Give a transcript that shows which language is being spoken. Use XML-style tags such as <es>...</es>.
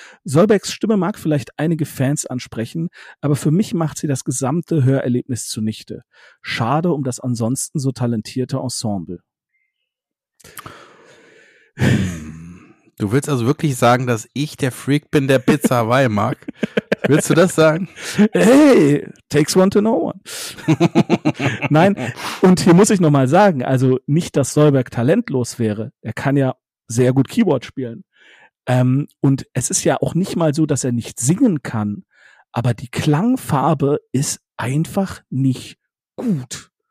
<de>Solbergs Stimme mag vielleicht einige Fans ansprechen, aber für mich macht sie das gesamte Hörerlebnis zunichte. Schade um das ansonsten so talentierte Ensemble. Du willst also wirklich sagen, dass ich der Freak bin, der Pizza Hawaii mag? Willst du das sagen?</de> <en>Hey, takes one to know one.</en> <de>Nein, und hier muss ich nochmal sagen, also nicht, dass Solberg talentlos wäre. Er kann ja sehr gut Keyboard spielen. Und es ist ja auch nicht mal so, dass er nicht singen kann. Aber die Klangfarbe ist einfach nicht gut.</de>